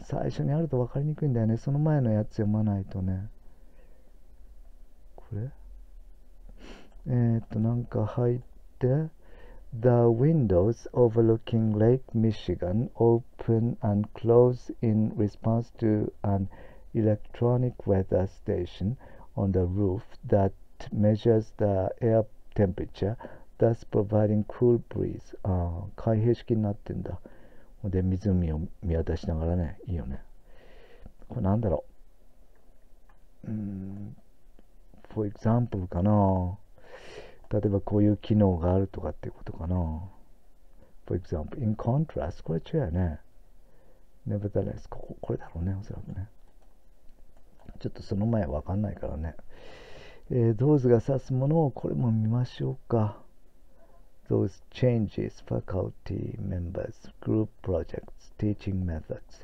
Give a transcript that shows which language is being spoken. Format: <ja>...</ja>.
<ja>最初にあると分かりにくいんだよね。その前のやつ読まないとね。これ？入って、</ja> <en>The windows overlooking Lake Michigan open and close in response to an electronic weather station on the roof that measures the air temperature, thus providing cool breeze.</en> <ja>ああ、開閉式になってんだ。で、湖を見渡しながらね、いいよね。これなんだろう。</ja> <en>For example</en> <ja>かな。例えばこういう機能があるとかっていうことかな。</ja> <en>For example, in contrast,</en> <ja>これ違うね。Nevertheless, これだろうね、おそらくね。ちょっとその前わかんないからね。 those が指すものをこれも見ましょうか。</ja> <en>those changes, faculty members, group projects, teaching methods。</en>